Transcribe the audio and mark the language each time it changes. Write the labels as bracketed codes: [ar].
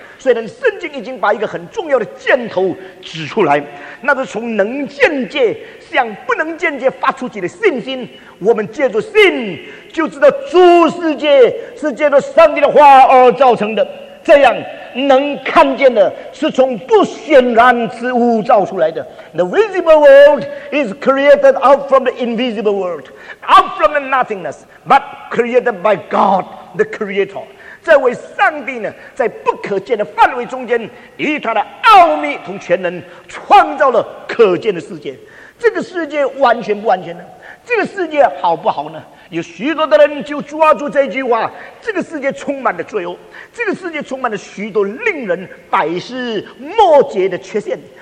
[zh] 虽然圣经已经把一个很重要的箭头指出来，那是从能见界向不能见界发出去的信心。我们借助信就知道诸世界是借助上帝的话而造成的，这样能看见的是从不显然之物造出来的。 [en] The visible world is created out from the invisible world, out from the nothingness, but created by God, the creator. [zh] 这位上帝呢，在不可见的范围中间，以他的奥秘同全能创造了可见的世界。这个世界完全不完全呢？这个世界好不好呢？有许多的人就抓住这句话，这个世界充满了罪恶，这个世界充满了许多令人百思莫解的缺陷。